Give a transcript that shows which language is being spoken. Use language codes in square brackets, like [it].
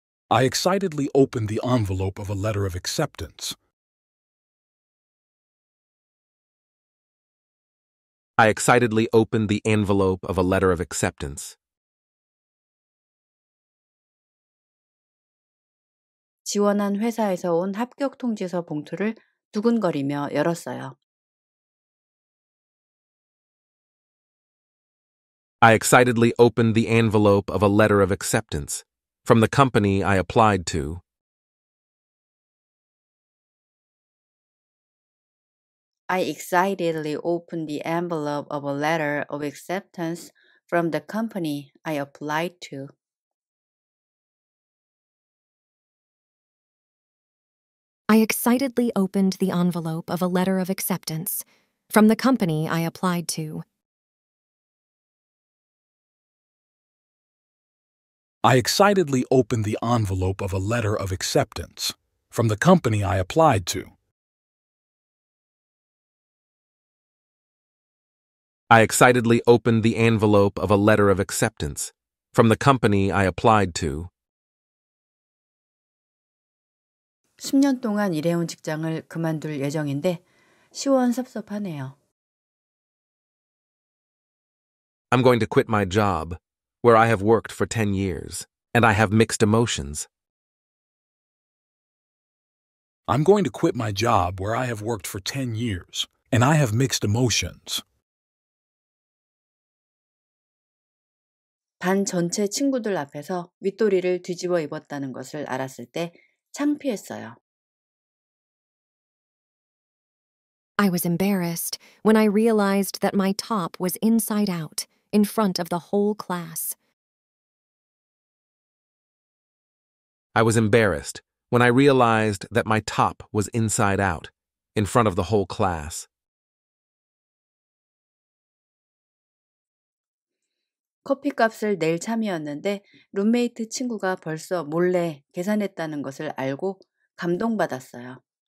[en] I excitedly opened the envelope of a letter of acceptance. I excitedly opened the envelope of a letter of acceptance. [ko] 지원한 회사에서 온 합격 통지서 봉투를 두근거리며 열었어요. [en] I excitedly opened the envelope of a letter of acceptance from the company I applied to. I I excitedly opened the envelope of a letter of acceptance from the company I applied to. I excitedly opened the envelope of a letter of acceptance from the company I applied to. I excitedly opened the envelope of a letter of acceptance from the company I applied to. I excitedly opened the envelope of a letter of acceptance from the company I applied to. [ko] 10년 동안 일해온 직장을 그만둘 예정인데 시원섭섭하네요. [en] I'm going to quit my job where I have worked for 10 years and I have mixed emotions. I'm going to quit my job where I have worked for 10 years and I have mixed emotions. [ko] 반 전체 친구들 앞에서 윗도리를 뒤집어 입었다는 것을 알았을 때 창피했어요. [en] I was embarrassed when I realized that my top was inside out in front of the whole class. I was embarrassed when I realized that my top was inside out in front of the whole class. [ko] 커피값을 낼 참이었는데 룸메이트 친구가 벌써 몰래 계산했다는 것을 알고 감동받았어요.